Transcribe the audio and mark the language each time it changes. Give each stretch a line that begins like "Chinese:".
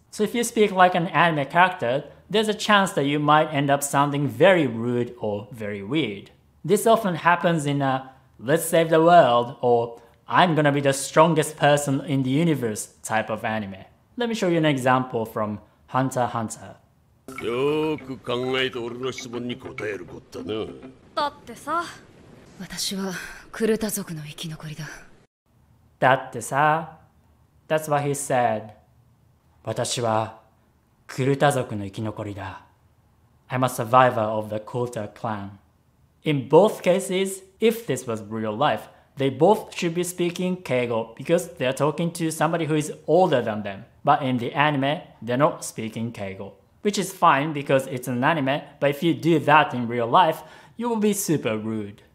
English: So if you speak like an anime character,There's a chance that you might end up sounding very rude or very weird. This often happens in a let's save the world or I'm gonna be the strongest person in the universe type of anime. Let me show you an example from Hunter x Hunter.
Japanese: よく考えて俺の質問に答えることだな。だってさ、私はクルタ族の生き残りだ。だってさ、
English: That's what he said.
Japanese: 私はクルタ族の生き残りだ。
English: I'm a survivor of the Kota clan. In both cases, if this was real life, they both should be speaking keigo because they're talking to somebody who is older than them. But in the anime, they're not speaking keigo. Which is fine because it's an anime, but if you do that in real life, you will be super rude.